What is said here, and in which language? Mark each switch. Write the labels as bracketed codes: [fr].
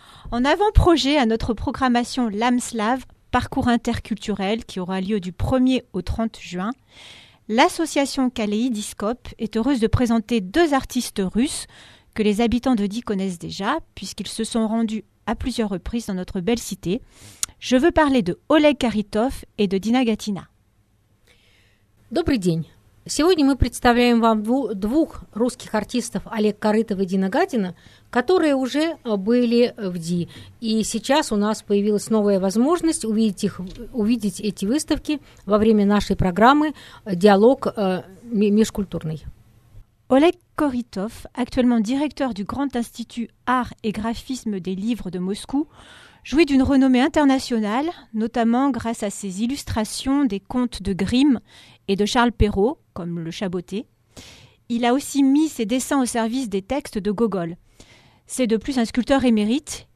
[fr] En avant-projet à notre programmation L'âme slave, parcours interculturel qui aura lieu du 1er au 30 juin, l'association Kaléidiscope est heureuse de présenter deux artistes russes que les habitants de Die connaissent déjà puisqu'ils se sont rendus à plusieurs reprises dans notre belle cité. Je veux parler de Oleg Karitov et de Dina Gatina. [ru] Добрый день. Сегодня мы представляем вам двух русских артистов, Олег Корытов и Дина Гатина, которые уже были в ДИ. И сейчас у нас появилась новая возможность увидеть эти выставки во время нашей программы «Диалог межкультурный». [fr] Олег Корытов, actuellement directeur du Grand Institut Art et Graphisme des Livres de Moscou, jouit d'une renommée internationale, notamment grâce à ses illustrations des contes de Grimm et de Charles Perrault, comme Le Chat botté. Il a aussi mis ses dessins au service des textes de Gogol. C'est de plus un sculpteur émérite.